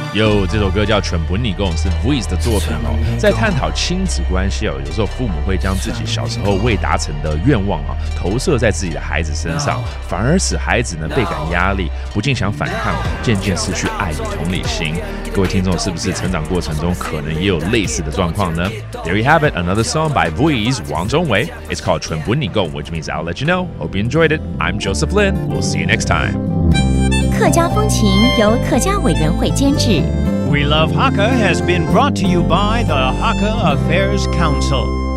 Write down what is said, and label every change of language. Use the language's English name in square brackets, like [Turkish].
[Chinese] Yo, 这首歌叫《全部你讲》，是 Vuize 的作品哦，在探讨亲子关系哦。有时候父母会将自己小时候未达成的愿望啊，投射在自己的孩子身上，反而使孩子呢倍感压力，不禁想反抗，渐渐失去爱与同理心。各位听众，是不是成长过程中可能也有类似的状况呢？ [English] There you have it, another song by Vuize, 王鍾惟. It's called 全部你講, which means I'll let you know. Hope you enjoyed it. I'm Joseph Lin. We'll see you next time. [Chinese] 客家风情由客家委员会监制. [English] We Love Hakka has been brought to you by the Hakka Affairs Council.